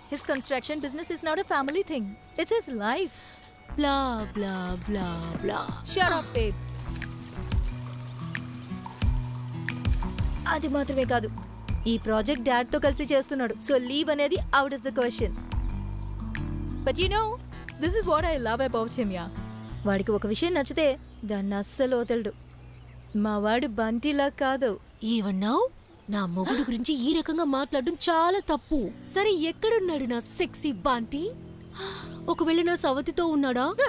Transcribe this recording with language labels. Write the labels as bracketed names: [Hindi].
[English] His construction business is not a family thing, it's his life. Blah blah blah blah. Shut up babe. [Telugu] అది మాత్రమే కాదు, ఈ project dad తో కలిసి చేస్తున్నాడు, సో లీవ్ అనేది [English] Out of the question. But you know, this is what I love about him, yeah. [Telugu] వాడికి ఒక విషయం నచ్చితే దాన్ని అస్సలు వదలడు. మా వాడు బంటిలా కాదు. ఏవన్ నౌ, నా మొగుడు గురించి ఈ రకంగా మాట్లాడడం చాలా తప్పు. సరే, ఎక్కడున్నాడు నా సెక్సీ బంటి? ఒకవేళ నా సవతితో ఉన్నాడా?